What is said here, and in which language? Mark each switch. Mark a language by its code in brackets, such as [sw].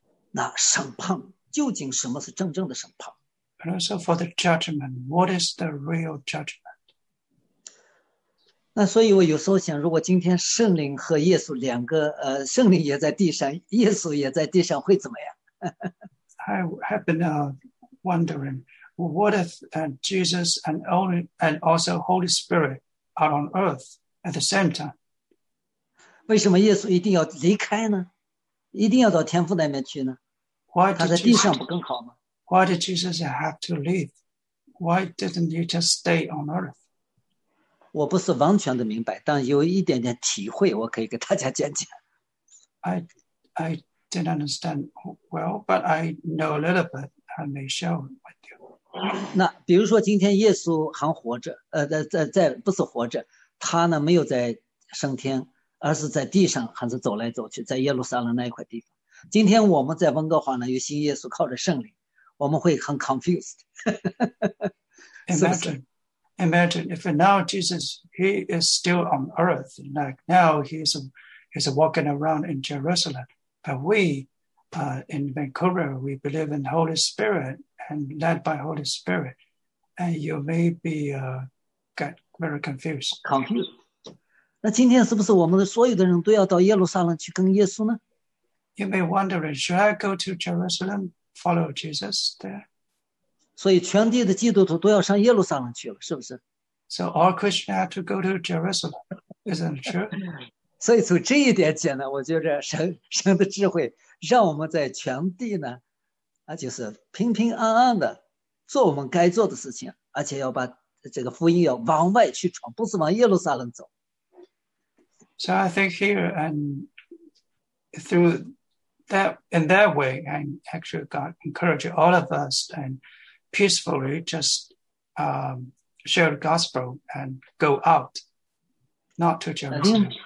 [zh] 那审判究竟什么是真正的审判 [en] ？And also for the judgment, what is the real judgment? [zh] 那所以我有时候想，如果今天圣灵和耶稣两个圣灵也在地上，耶稣也在地上，会怎么样 [en] ？I have been wondering, what if Jesus and also Holy Spirit are on earth at the same time? [zh] 为什么耶稣一定要离开呢？一定要到天父那边去呢？ [en] Why [zh] 他在地上不更好吗？ [en] Why did Jesus have to leave? Why didn't he just stay on earth? [zh] 我不是完全的明白，但有一点点体会，我可以给大家讲讲。 [en] I didn't understand well, but I know a little bit. I may share with you. [zh] 那比如说，今天耶稣还活着，在不是活着，他呢没有在升天。而是在地上还是走来走去，在耶路撒冷那一块地方。今天我们在温哥华呢，有新耶稣靠着圣灵，我们会很 confused。 [en] Imagine if now Jesus he is still on earth, like now he's walking around in Jerusalem, but we, in Vancouver, we believe in Holy Spirit and led by Holy Spirit, and you may be get very confused. Confused. [zh] 那今天是不是我们的所有的人都要到耶路撒冷去跟耶稣呢 [en] ？You may wonder, should I go to Jerusalem, follow Jesus there? [zh] 所以全地的基督徒都要上耶路撒冷去了，是不是 [en] ？So all Christians have to go to Jerusalem, isn't it true? [zh] 所以从这一点讲呢，我觉得神的智慧让我们在全地呢，啊，就是平平安安的做我们该做的事情，而且要把这个福音要往外去传，不是往耶路撒冷走。 [en] So I think here and through that, in that way, and actually God encouraged all of us and peacefully just share the gospel and go out, not to Jerusalem.